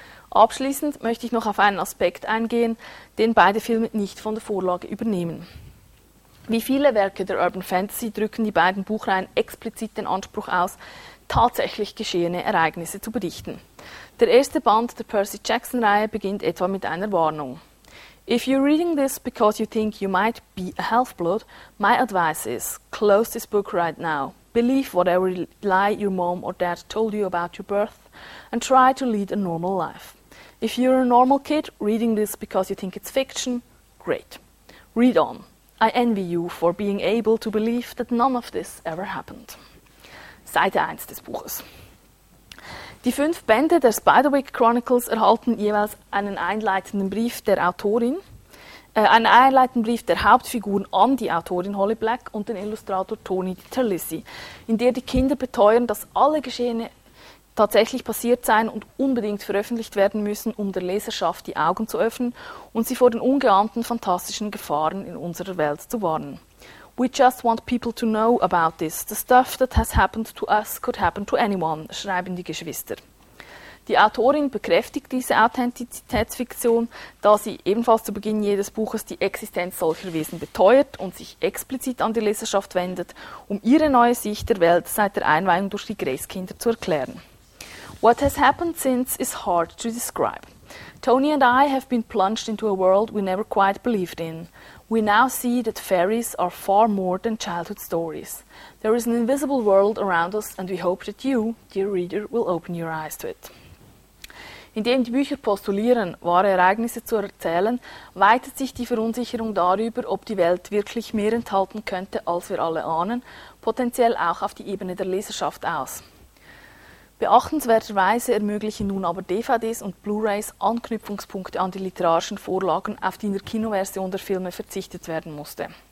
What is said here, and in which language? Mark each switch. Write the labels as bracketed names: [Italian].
[German] Abschließend möchte ich noch auf einen Aspekt eingehen, den beide Filme nicht von der Vorlage übernehmen. Wie viele Werke der Urban Fantasy drücken die beiden Buchreihen explizit den Anspruch aus, tatsächlich geschehene Ereignisse zu berichten. Der erste Band der Percy Jackson-Reihe beginnt etwa mit einer Warnung. [English] If you're reading this because you think you might be a half-blood, my advice is, close this book right now. Believe whatever lie your mom or dad told you about your birth and try to lead a normal life. If you're a normal kid reading this because you think it's fiction, great. Read on. I envy you for being able to believe that none of this ever happened. [German] Seite 1 des Buches. Die 5 Bände der Spiderwick Chronicles erhalten jeweils einen einleitenden Brief der Autorin, einen einleitenden Brief der Hauptfiguren an die Autorin Holly Black und den Illustrator Tony Terlizzi, in der die Kinder beteuern, dass alle Geschehene tatsächlich passiert seien und unbedingt veröffentlicht werden müssen, um der Leserschaft die Augen zu öffnen und sie vor den ungeahnten fantastischen Gefahren in unserer Welt zu warnen. [English] We just want people to know about this. The stuff that has happened to us could happen to anyone, [German] schreiben die Geschwister. Die Autorin bekräftigt diese Authentizitätsfiktion, da sie ebenfalls zu Beginn jedes Buches die Existenz solcher Wesen beteuert und sich explizit an die Leserschaft wendet, um ihre neue Sicht der Welt seit der Einweihung durch die Grace-Kinder zu erklären. [English] What has happened since is hard to describe. Tony and I have been plunged into a world we never quite believed in. We now see that fairies are far more than childhood stories. There is an invisible world around us and we hope that you, dear reader, will open your eyes to it. [German] Indem die Bücher postulieren, wahre Ereignisse zu erzählen, weitet sich die Verunsicherung darüber, ob die Welt wirklich mehr enthalten könnte, als wir alle ahnen, potenziell auch auf die Ebene der Leserschaft aus. Beachtenswerterweise ermöglichen nun aber DVDs und Blu-rays Anknüpfungspunkte an die literarischen Vorlagen, auf die in der Kinoversion der Filme verzichtet werden musste.